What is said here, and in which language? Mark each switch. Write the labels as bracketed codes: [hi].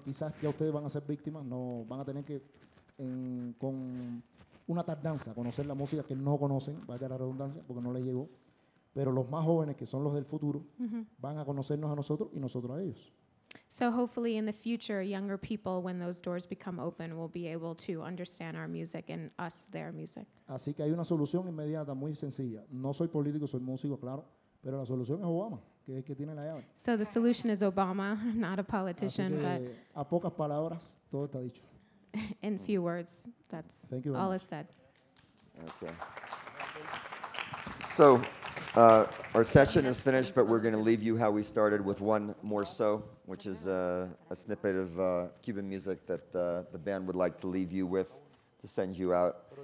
[es] Quizás ya ustedes van a ser víctimas, no van a tener que con una tardanza conocer la música que no conocen, valga la redundancia, porque no les llegó. Pero los más jóvenes, que son los del futuro, mm-hmm. van a conocernos a nosotros y nosotros a ellos. [en] So hopefully in the future, younger people, when those doors become open, will be able to understand our music and us their music. [es] Así que hay una solución inmediata, muy sencilla. No soy político, soy músico, claro, pero la solución es Obama, que es que tiene la llave. [en] So the solution is Obama, not a politician. [es] Así que, [en] but [es] a pocas palabras, todo está dicho. [en] In few words, that's Thank you very all much. Is said. Okay. So our session is finished, but we're going to leave you how we started with one more so, which is a snippet of Cuban music that the band would like to leave you with to send you out.